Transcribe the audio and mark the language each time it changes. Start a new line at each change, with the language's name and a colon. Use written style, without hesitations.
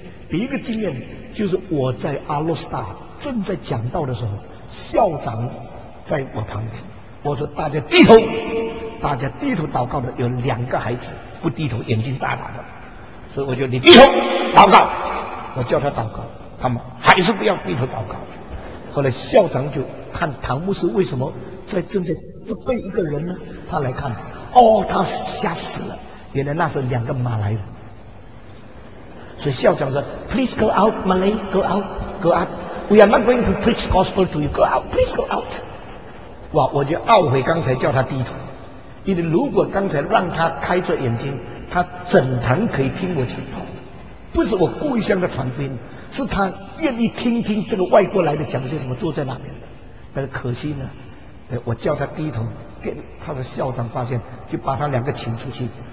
Chinese: 第一个经验就是我在阿洛斯达正在讲道的时候，校长在我旁边，我说大家低头，大家低头祷告的有两个孩子不低头，眼睛大大的，所以我就你低头祷告，我叫他祷告，他们还是不要低头祷告。后来校长就看唐牧师为什么在正在责备一个人呢，他来看，哦，他吓死了，原来那是两个马来人。所以校长说
English: Please go out Malay, go out,
Chinese: go out, we are not going to preach gospel to you, go out, please go out。哇，我就懊悔刚才叫他低头，因为如果刚才让他开着眼睛，他整堂可以听我讲道，不是我故意向他传福音，是他愿意听听这个外国来的讲些什么，坐在那边的。但是可惜呢，我叫他低头，给他的校长发现，就把他两个请出去。